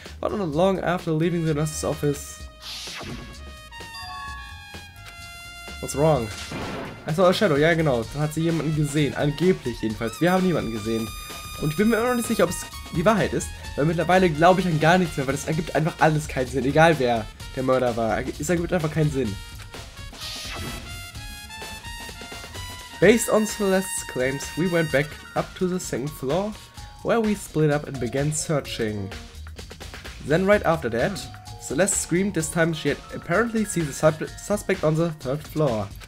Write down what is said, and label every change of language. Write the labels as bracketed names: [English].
[English] But not long after leaving the nurse's office... What's wrong? I saw a shadow, [German] ja genau, dann hat sie jemanden gesehen, angeblich jedenfalls. Wir haben niemanden gesehen. Und ich bin mir immer noch nicht sicher, ob es die Wahrheit ist, weil mittlerweile glaube ich an gar nichts mehr, weil das ergibt einfach alles keinen Sinn, egal wer der Mörder war. Es ergibt einfach keinen Sinn. [English] Based on Celeste's claims, we went back up to the second floor, where we split up and began searching. Then right after that, Celeste screamed, this time she had apparently seen the suspect on the third floor.